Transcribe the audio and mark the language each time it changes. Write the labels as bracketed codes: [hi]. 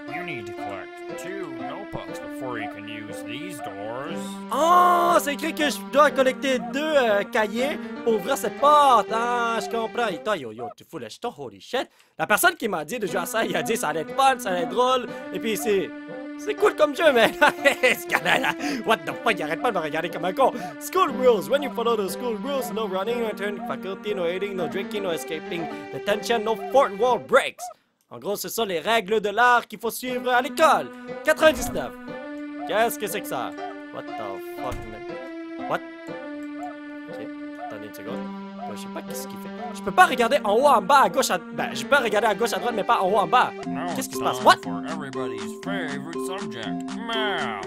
[en] You need to collect two notebooks before you can use these doors. [fr] Oh, c'est écrit que je dois collecter deux cahiers pour ouvrir cette porte. Ah, je comprends. Et toi, yo, tu fous les jetons, [en] holy shit. [fr] La personne qui m'a dit de jouer à ça, il a dit ça allait être fun, ça allait être drôle. Et puis c'est. C'est cool comme jeu, mais ce gars-là, là, [en] what the fuck, [fr] il arrête pas de me regarder comme un con. [en] School rules, when you follow the school rules, no running, no turning faculty, no eating, no drinking, no escaping, detention, no fort wall breaks. [fr] En gros, ce sont les règles de l'art qu'il faut suivre à l'école. 99. Qu'est-ce que c'est que ça? [en] What the fuck, man? What? [fr] Ok, attendez une seconde. Je sais pas qu'est-ce qu'il fait. Je peux pas regarder en haut, en bas, à gauche, à... Ben, je peux regarder à gauche, à droite, mais pas en haut, en bas. Qu'est-ce qui se passe? [en] What? For everybody's favorite subject, math.